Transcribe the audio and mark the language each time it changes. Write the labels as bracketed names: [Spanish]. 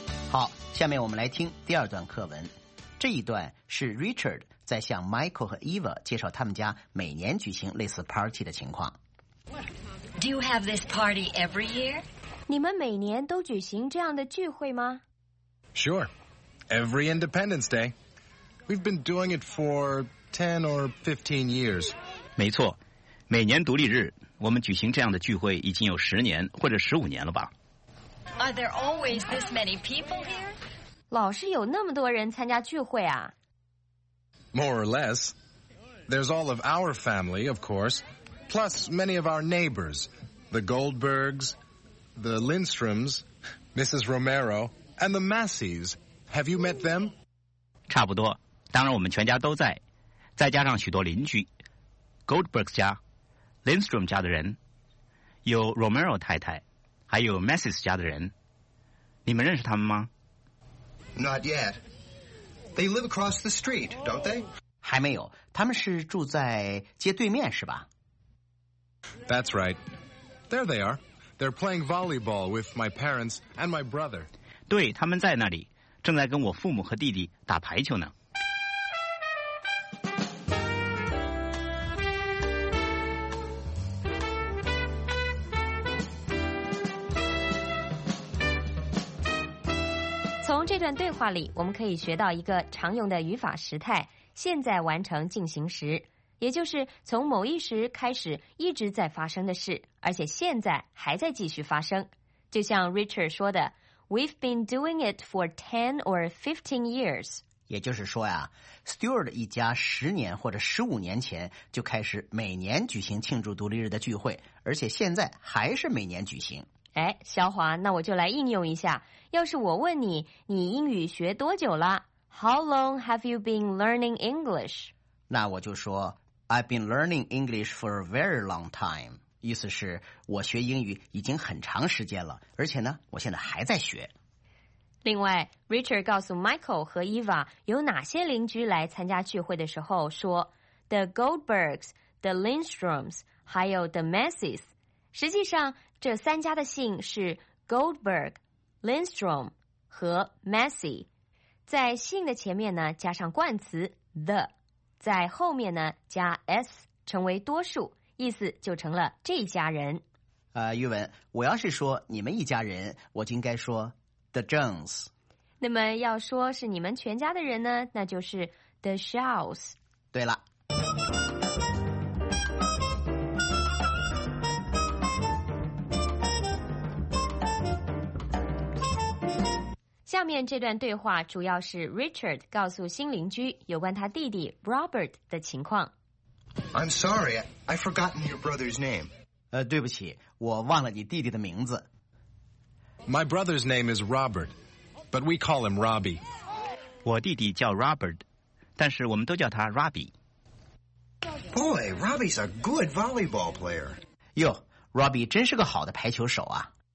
[Chinese] 好，下面我们来听第二段课文。这一段是 Richard 在向 Michael 和 Eva 介绍他们家每年举行类似 party 的情况。 [English] Do you have this party every year? [Chinese] 你们每年都举行这样的聚会吗？ [English] Sure. Every Independence Day. We've been doing it for 10 or 15 years. [Chinese] 没错，每年独立日，我们举行这样的聚会已经有10年或者15年了吧。 [English] Are there always this many people here? [Chinese] 老是有那么多人参加聚会啊。 [English] More or less. There's all of our family, of course. Plus many of our neighbors. The Goldbergs, the Lindstroms, Mrs. Romero, and the Masseys. Have you met them? [Chinese] 差不多，当然我们全家都在，再加上许多邻居。 Goldbergs 家， Lindstrom 家的人，有 Romero 太太。还有 Masseys 家的人，你们认识他们吗？ [English] Not yet. They live across the street, don't they? [Chinese] 还没有，他们是住在街对面，是吧？ [English] That's right. There they are. They're playing volleyball with my parents and my brother. [Chinese] 对，他们在那里，正在跟我父母和弟弟打排球呢。从这段对话里，我们可以学到一个常用的语法时态，现在完成进行时，也就是从某一时开始一直在发生的事，而且现在还在继续发生。就像 Richard 说的 [English] We've been doing it for 10 or 15 years。 [Chinese] 也就是说呀， Stuart 一家10年或者15年前就开始每年举行庆祝独立日的聚会，而且现在还是每年举行。哎，小华，那我就来应用一下。要是我问你，你英语学多久了？ [English] How long have you been learning English? [Chinese] 那我就说 [English] I've been learning English for a very long time. [Chinese] 意思是我学英语已经很长时间了，而且呢，我现在还在学。另外 ，Richard 告诉 Michael 和 Eva 有哪些邻居来参加聚会的时候说 ：“The Goldbergs, the Lindstroms, 还有 the Messies。” 实际上，这三家的姓是 Goldberg、Lindstrom 和 Messy， 在姓的前面呢加上冠词 the， 在后面呢加 s， 成为多数，意思就成了这一家人。玉文，我要是说你们一家人，我就应该说 the Jones。那么要说是你们全家的人呢，那就是 the Shaws。对了。下面这段对话主要是 Richard 告诉新邻居有关他弟弟 Robert 的情况。 [English] I'm sorry, I've forgotten your brother's name. [Chinese] 对不起，我忘了你弟弟的名字。 [English] My brother's name is Robert, but we call him Robbie. [Chinese] 我弟弟叫 Robert, 但是我们都叫他 Robbie. [English] Boy, Robbie's a good volleyball player. [Chinese] 哟 ,Robbie 真是个好的排球手啊。